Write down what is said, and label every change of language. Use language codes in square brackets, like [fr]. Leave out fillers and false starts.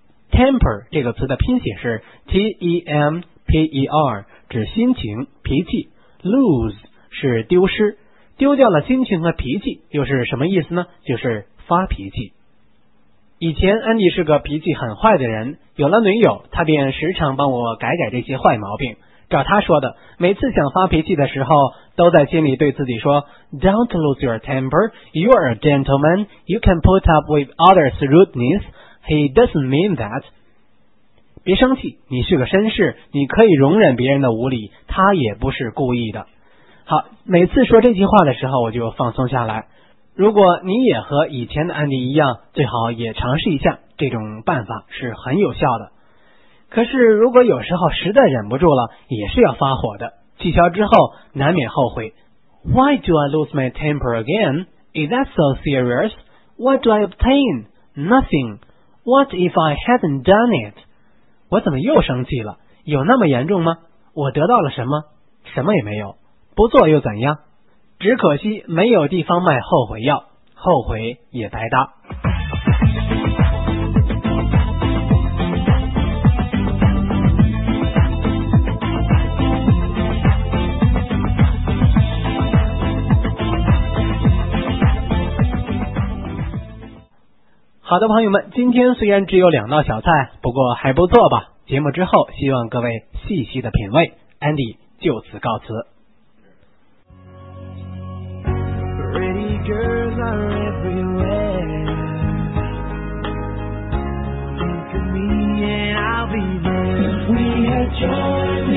[zh] Temper 这个词的拼写是 T-E-M-P-E-R， 指心情脾气， lose 是丢失，丢掉了心情和脾气又是什么意思呢？就是发脾气。以前安迪是个脾气很坏的人，有了女友他便时常帮我改改这些坏毛病。 [en] 照他说的，每次想发脾气的时候，都在心里对自己说 Don't lose your temper, you are a gentleman, you can put up with others' rudeness, he doesn't mean that. [zh] 别生气，你是个绅士，你可以容忍别人的无理，他也不是故意的。好，每次说这句话的时候我就放松下来。如果你也和以前的案例一样，最好也尝试一下，这种办法是很有效的。可是如果有时候实在忍不住了，也是要发火的，气消之后难免后悔。 [en] Why do I lose my temper again? Is that so serious? What do I obtain? Nothing. [zh] What if I hadn't done it? 我怎么又生气了？有那么严重吗？我得到了什么？什么也没有，不做又怎样？只可惜没有地方卖后悔药，后悔也白搭。好的，朋友们，今天虽然只有两道小菜，不过还不错吧。节目之后希望各位细细的品味。 Andy 就此告辞。 [en] Pretty girls are everywhere. Look at me and I'll be there. We had joy.